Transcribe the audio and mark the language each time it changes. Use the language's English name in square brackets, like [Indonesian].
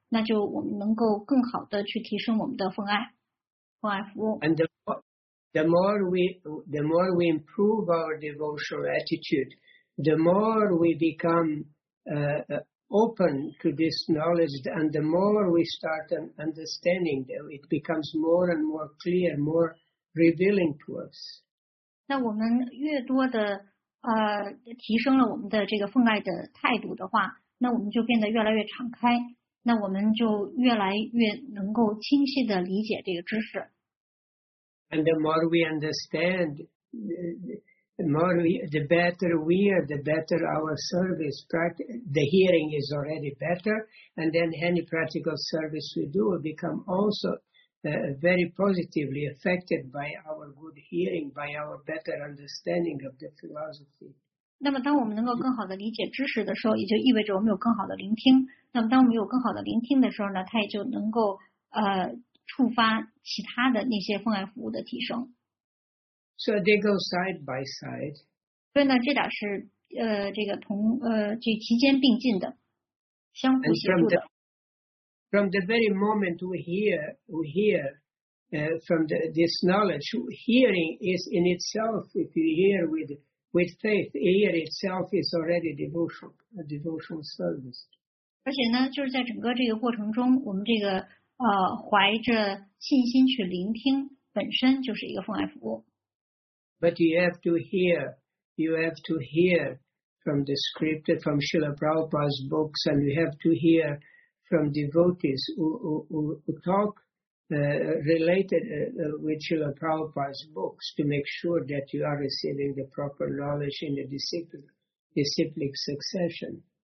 [Chinese] 那就我们能够更好的去提升我们的奉爱奉爱服务。 [English] And the more we improve our devotional attitude, the more we become open to this knowledge, and the more we start understanding, it becomes more and more clear, more revealing to us. [Chinese] 那我们越多的提升了我们的这个奉爱的态度的话，那我们就变得越来越敞开，那我们就越来越能够清晰的理解这个知识。 [English] And the more we understand, the better our service practice, the hearing is already better, and then any practical service we do will become also very positively affected by our good hearing, by our better understanding of the philosophy. [Chinese] 那么当我们能够更好的理解知识的时候，也就意味着我们有更好的聆听。那么当我们有更好的聆听的时候呢，它也就能够触发其他的那些奉爱服务的提升。 [English] So they go side by side. [Chinese] 所以呢，这俩是这个同这齐肩并进的，相互协助的。 [English] From the very moment we hear from this knowledge, hearing is in itself, if you hear with faith, ear itself is already a devotional service. [Chinese] 而且呢，就是在整个这个过程中，我们这个怀着信心去聆听，本身就是一个奉爱服务。 [English] But you have to hear from the script, from Srila Prabhupada's books, and you have to hear from devotees who talk related with Srila Prabhupada's books to make sure that you are receiving the proper knowledge in the disciplic succession.